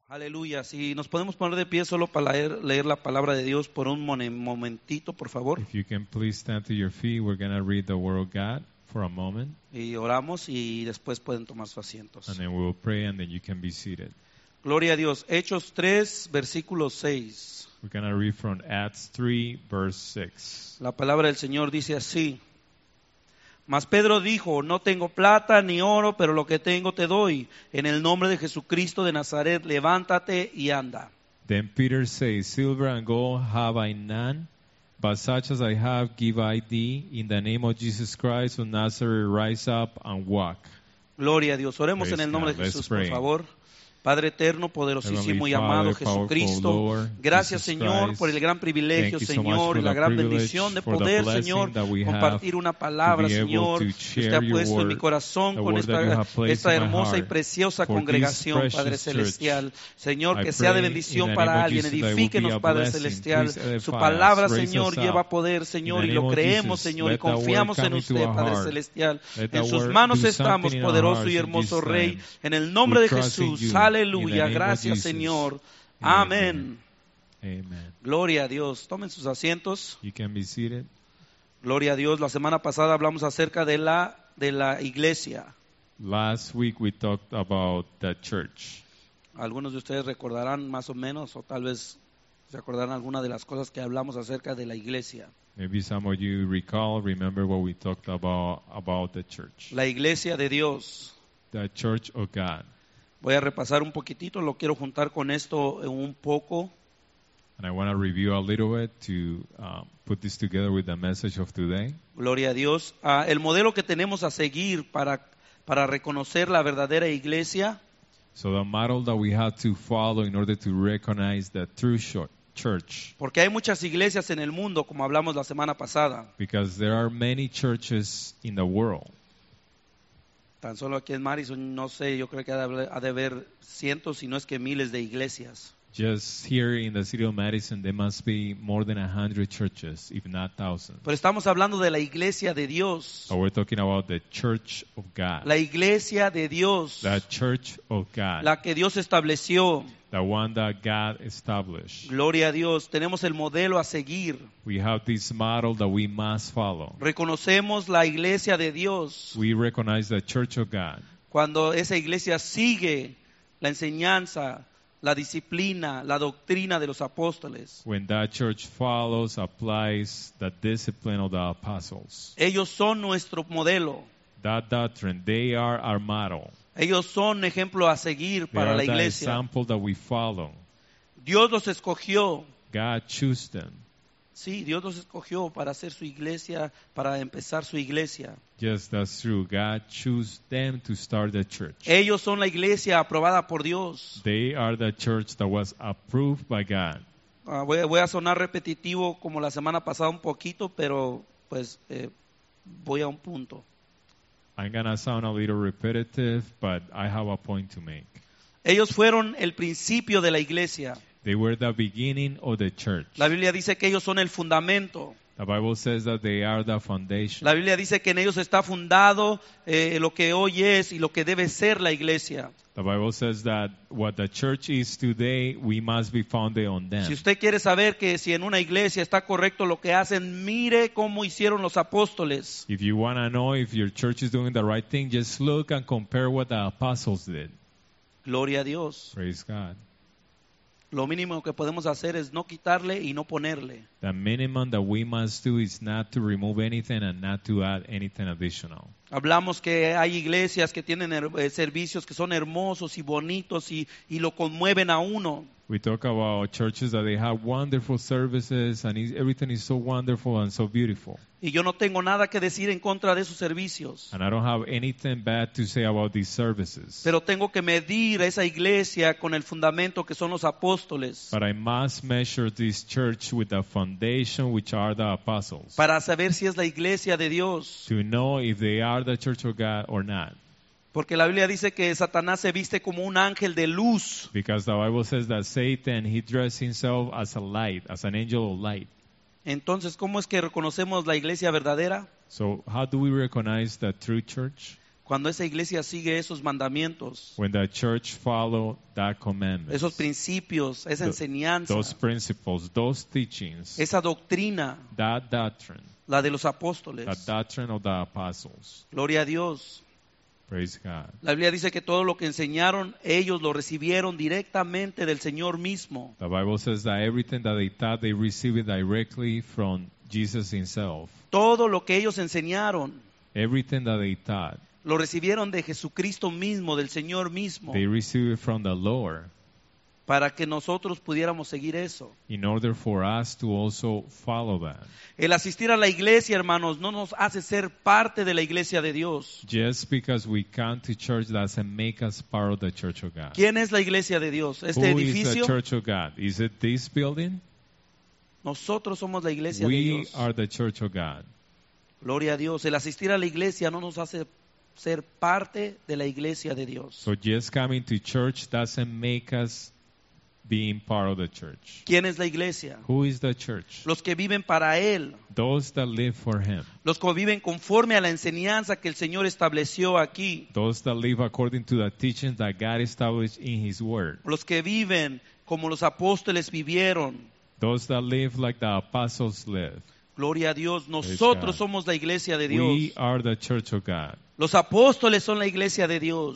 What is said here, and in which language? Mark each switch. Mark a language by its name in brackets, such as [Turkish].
[Spanish] Aleluya, si nos podemos poner de pie solo para leer la palabra de Dios por un momentito, por favor. [English] If you can please stand to your feet, we're going to read the word of God for a moment. [Spanish] Y oramos y después pueden tomar sus asientos. [English] And then we will pray and then you can be seated. [Spanish] Gloria a Dios. Hechos 3, versículo 6. [English] We're going to read from Acts 3, verse 6. [Spanish] La palabra del Señor dice así. Mas Pedro dijo, no tengo plata ni oro, pero lo que tengo te doy. En el nombre de Jesucristo de Nazaret, levántate y anda. [English] Then Peter says, silver and gold have I none, but such as I have give I thee. In the name of Jesus Christ of Nazareth, rise up and walk. [Spanish] Gloria a Dios. Oremos en el nombre de Jesús, por favor. Padre eterno, poderosísimo y amado Jesucristo, gracias Señor por el gran privilegio, Señor, la gran bendición de poder, Señor, compartir una palabra, Señor, que usted ha puesto en mi corazón con esta hermosa y preciosa congregación, Padre Celestial. Señor, que sea de bendición para alguien, edifíquenos, Padre Celestial. Su palabra, Señor, lleva poder, Señor, y lo creemos, Señor, y confiamos en usted, Padre Celestial. En sus manos estamos, poderoso y hermoso Rey, en el nombre de Jesús. Aleluya, gracias Señor. Amén. Gloria a Dios. Tomen sus asientos. [English] You can be seated. [Spanish] Gloria a Dios. La semana pasada hablamos acerca de la iglesia. [English] Last week we talked about the church. [Spanish] Algunos de ustedes recordarán más o menos, o tal vez se acordarán alguna de las cosas que hablamos acerca de la iglesia. [English] Maybe some of you recall, remember what we talked about the church. [Spanish] La iglesia de Dios. [English] The church of God. [Spanish] Voy a repasar un poquitito, lo quiero juntar con esto un poco. [English] And I want to review a little bit to put this together with the message of today. [Spanish] Gloria a Dios. El modelo que tenemos a seguir para reconocer la verdadera iglesia. [English] So the model that we have to follow in order to recognize the true church. [Spanish] Porque hay muchas iglesias en el mundo, como hablamos la semana pasada. [English] Because there are many churches in the world. [Spanish] Tan solo aquí en Madison, no sé, yo creo que ha de haber cientos, si no es que miles de iglesias. [English] Just here in the city of Madison, there must be more than 100 churches, if not thousands. [Spanish] Pero estamos hablando de la iglesia de Dios. [English] But we're talking about the church of God. [Spanish] La iglesia de Dios. [English] The church of God. [Spanish] La que Dios estableció. [English] The one that God established. [Spanish] Gloria a Dios. Tenemos el modelo a seguir. [English] We have this model that we must follow. [Spanish] Reconocemos la iglesia de Dios. [English] We recognize the church of God. [Spanish] Cuando esa iglesia sigue la enseñanza, la disciplina, la doctrina de los apóstoles. [English] When that church follows, applies the discipline of the apostles. [Spanish] Ellos son nuestro modelo. [English] That doctrine, they are our model. [Spanish] Ellos son ejemplo a seguir [English] they [Spanish] para la iglesia. [English] The example that we follow. [Spanish] Dios los escogió. [English] God chose them. [Spanish] Sí, Dios los escogió para hacer su iglesia, para empezar su iglesia. [English] Yes, that's true. God chose them to start the church. [Spanish] Ellos son la iglesia aprobada por Dios. [English] They are the church that was approved by God. [Spanish] Voy a sonar repetitivo como la semana pasada un poquito, pero pues voy a un punto. [English] I'm going to sound a little repetitive, but I have a point to make. [Spanish] Ellos fueron el principio de la iglesia. [English] They were the beginning of the church. [Spanish] La Biblia dice que ellos son el fundamento. [English] The Bible says that they are the foundation. [Spanish] La Biblia dice que en ellos está fundado lo que hoy es y lo que debe ser la iglesia. [English] The Bible says that what the church is today, we must be founded on them. [Spanish] Si usted quiere saber que si en una iglesia está correcto lo que hacen, mire cómo hicieron los apóstoles. [English] If you want to know if your church is doing the right thing, just look and compare what the apostles did. [Spanish] Gloria a Dios. [English] Praise God. [Spanish] Lo mínimo que podemos hacer es no quitarle y no ponerle. [English] The minimum that we must do is not to remove anything and not to add anything additional. [Spanish] Hablamos que hay iglesias que tienen servicios que son hermosos y bonitos y lo conmueven a uno. [English] We talk about churches that they have wonderful services and everything is so wonderful and so beautiful. [Spanish] Y yo no tengo nada que decir en contra de esos servicios. [English] And I don't have anything bad to say about these services. [Spanish] Pero tengo que medir a esa iglesia con el fundamento que son los apóstoles. [English] But I must measure this church with the foundation which are the apostles. [Spanish] Para saber si es la iglesia de Dios. [English] To know if they are the church of God or not. [Spanish] Porque la Biblia dice que Satanás se viste como un ángel de luz. [English] Because the Bible says that Satan, he dressed himself as a light, as an angel of light. [Spanish] Entonces, ¿cómo es que reconocemos la iglesia verdadera? [English] So, how do we recognize the true church? [Spanish] Cuando esa iglesia sigue esos mandamientos, [English] when that church follow that commandment, [Spanish] esos principios, esa enseñanza, [English] those principles, those teachings, [Spanish] esa doctrina, [English] that doctrine, [Spanish] la de los apóstoles, [English] that doctrine of the apostles, [Spanish] gloria a Dios. [English] Praise God. [Spanish] La Biblia dice que todo lo que enseñaron ellos lo recibieron directamente del Señor mismo. [English] The Bible says that everything that they taught they received directly from Jesus himself. [Spanish] Todo lo que ellos enseñaron, [English] everything that they taught, [Spanish] lo recibieron de Jesucristo mismo, del Señor mismo. [English] They received it from the Lord. [Spanish] Para que nosotros pudiéramos seguir eso. [English] In order for us to also follow that. [Spanish] El asistir a la iglesia, hermanos, no nos hace ser parte de la iglesia de Dios. [English] Just because we come to church doesn't make us part of the church of God. [Spanish] ¿Quién es la iglesia de Dios? ¿Este [English] Who [Spanish] edificio? [English] Who is the church of God? Is it this building? [Spanish] Nosotros somos la iglesia [English] we [Spanish] de Dios. [English] We are the church of God. [Spanish] Gloria a Dios. El asistir a la iglesia no nos hace ser parte de la iglesia de Dios. [English] So just coming to church doesn't make us being part of the church. [Spanish] ¿Quién es la iglesia? [English] Who is the church? [Spanish] Los que viven para él. [English] Those that live for him. [Spanish] Los que viven conforme a la enseñanza que el Señor estableció aquí. [English] Those that live according to the teachings that God established in his word. [Spanish] Los que viven como los apóstoles vivieron. [English] Those that live like the apostles lived. [Spanish] Gloria a Dios. Nosotros somos la iglesia de Dios. [English] We are the church of God. [Spanish] Los apóstoles son la iglesia de Dios.